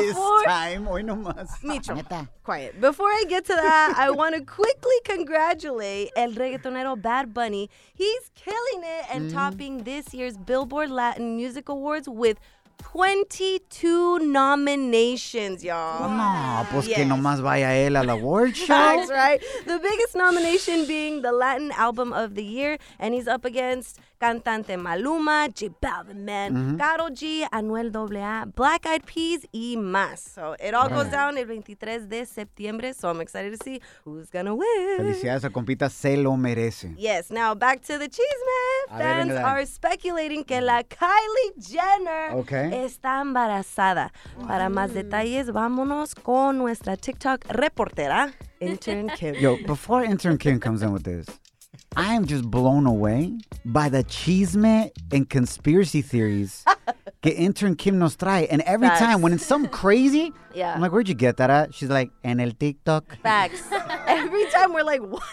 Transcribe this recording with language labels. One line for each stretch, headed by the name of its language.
Spanish: this time, hoy nomás.
English: Micho, quiet. Before I get to that, I want to quickly congratulate el reggaetonero Bad Bunny. He's killing it and topping this year's Billboard Latin Music Awards with 22 nominations, y'all.
Spanish: No, pues yes. Que nomás vaya él al award show.
English: That's right. The biggest nomination being the Latin Album of the Year, and he's up against Cantante Maluma, J Balvin, Man, Karol G, Anuel AA, Black Eyed Peas, y más. So it all goes down el 23 de septiembre, so I'm excited to see who's going to win.
Spanish: Felicidades a compita, se lo merece.
English: Yes, now back to the chisme. Fans are speculating que la Kylie Jenner está embarazada.
Spanish: Para más detalles, vámonos con nuestra TikTok reportera, Intern Kim.
English: Yo, before Intern Kim comes in with this, I am just blown away by the chisme and conspiracy theories that Intern Kim nos trae. And every facts. Time when it's something crazy, yeah. I'm like, where'd you get that at? She's like, en el TikTok. Facts. Every time we're like, what?